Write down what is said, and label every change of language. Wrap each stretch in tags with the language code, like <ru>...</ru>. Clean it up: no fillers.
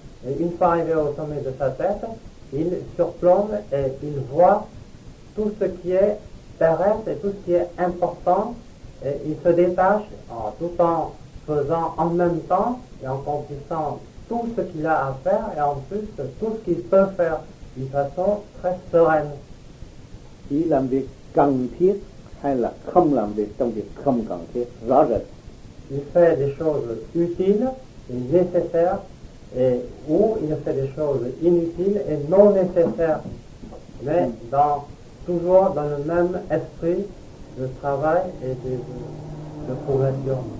<fr>Et une fois arrivé au sommet de sa tête, il surplombe et il voit tout ce qui est terrestre et tout ce qui est important, et il se détache tout en faisant en même temps et en accomplissant tout ce qu'il a à faire et en plus tout ce qu'il peut faire d'une façon très sereine.</fr> <vi>Chỉ làm việc cần thiết hay là không làm việc trong việc không cần thiết, rõ rệt.</vi> <fr>Il fait des choses utiles et nécessaires, et où il fait des choses inutiles et non nécessaires, mais dans toujours dans le même esprit de travail et de progression.</fr>